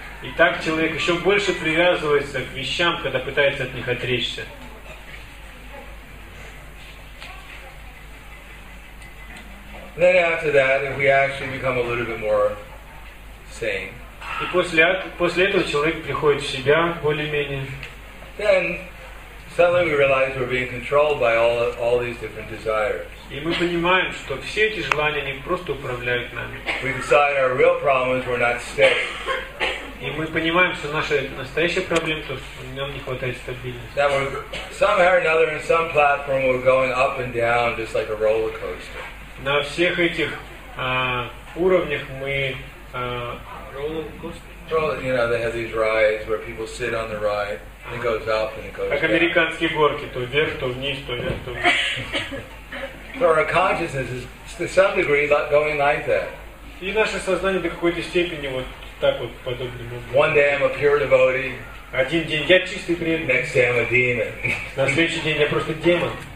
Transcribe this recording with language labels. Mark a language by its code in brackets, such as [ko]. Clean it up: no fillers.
[ru] И так человек еще больше привязывается к вещам, когда пытается от них отречься. [en] Then after that, if we actually become a little bit more sane. [ru] И после этого человек приходит в себя более-менее. [en] Then suddenly we realize we're being controlled by all these different desires. [ru] И мы понимаем, что все эти желания, они просто управляют нами. [en] We decide our real problems, we're not safe. [ru] И мы понимаем, что наша настоящая проблема, то что нам не хватает стабильности. [en] That we're somehow or another in some platform, we're going up and down, just like a roller coaster. [ru] На всех этих уровнях мы [en] roller coaster. Well, you know, they have these rides where people sit on the ride and it goes up and it goes down. [ru] Как американские горки, то вверх, то вниз, то вверх, то вниз. [en] So our consciousness is, to some degree, going like that. [ru] И наше сознание до какой-то степени вот так вот подобным образом. [en] One day I'm a pure devotee. [ru] Один день я чистый преданный. [en] Next day I'm a demon. [ru] На следующий день я просто демон.